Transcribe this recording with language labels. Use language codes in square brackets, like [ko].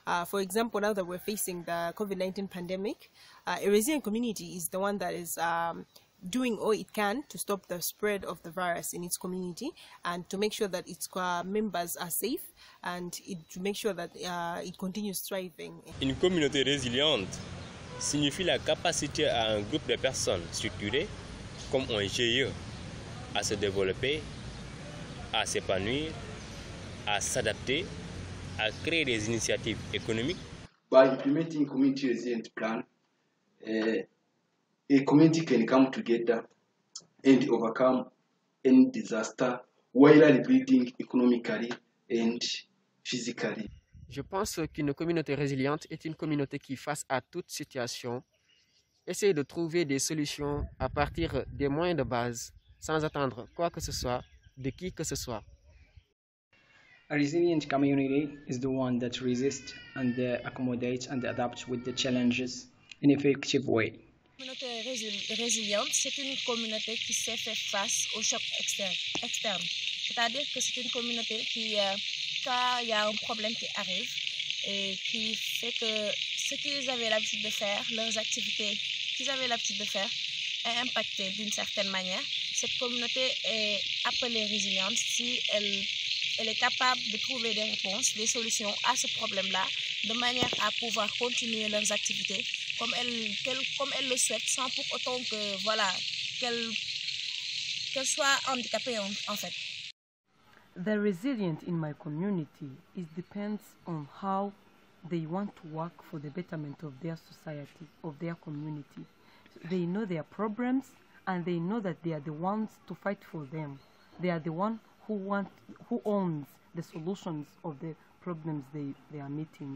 [en] For example, now that we're facing the COVID-19 pandemic, a resilient community is the one that is doing all it can to stop the spread of the virus in its community and to make sure that its members are safe and to make sure that it continues thriving. [fr] Une communauté résiliente signifie la capacité à un groupe de personnes structurées comme un GIE à se développer, à s'épanouir, à s'adapter, à créer des initiatives économiques. [en] By implementing community resilient plan, a community can come together and overcome any disaster while rebuilding economically and physically. [fr] Je pense qu'une communauté résiliente est une communauté qui, face à toute situation, essaie de trouver des solutions à partir des moyens de base, sans attendre quoi que ce soit de qui que ce soit. [en] A resilient community is the one that resists and accommodates and adapts with the challenges in an effective way. [fr] Une communauté résiliente, c'est une communauté qui sait faire face aux chocs externes. C'est-à-dire que c'est une communauté qui, quand il y a un problème qui arrive, et qui fait que ce qu'ils avaient l'habitude de faire, leurs activités qu'ils avaient l'habitude de faire, est impacté d'une certaine manière. Cette communauté est appelée résiliente si elle est capable de trouver des réponses, des solutions à ce problème-là, de manière à pouvoir continuer leurs activités comme elle le souhaite, sans pour autant que voilà qu'elle soit handicapée en fait. [en] The resilient in my community it depends on how they want to work for the betterment of their society, of their community. They know their problems and they know that they are the ones to fight for them. They are the one who owns the solutions of the problems they are meeting.